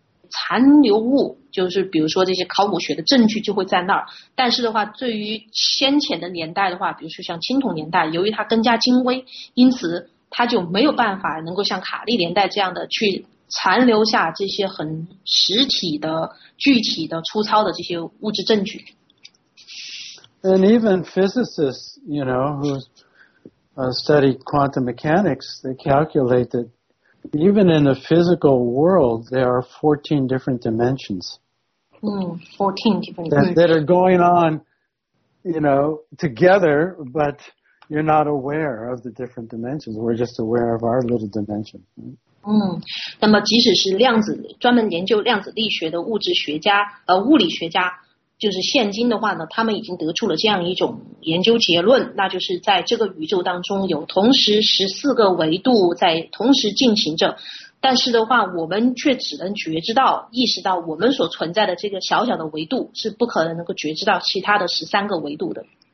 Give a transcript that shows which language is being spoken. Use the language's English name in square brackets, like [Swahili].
[Chinese] 残留物就是比如说这些考古学的证据就会在那儿，但是的话对于先前的年代的话，比如说像青铜年代，由于它更加精微，因此它就没有办法能够像卡利年代这样的去残留下这些很实体的具体的粗糙的这些物质证据。 [English] And even physicists, you know, who study quantum mechanics, they calculate thatEven in the physical world, there are 14 different dimensions. 14 different dimensions. That are going on, you know, together, but you're not aware of the different dimensions. We're just aware of our little dimension. [Chinese] 那么即使是量子，专门研究量子力学的物质学家，物理学家，就是现今的话呢，他们已经得出了这样一种研究结论，那就是在这个宇宙当中有同时14个维度在同时进行着，但是的话我们却只能觉知到意识到我们所存在的这个小小的维度，是不可能能够觉知到其他的13个维度的。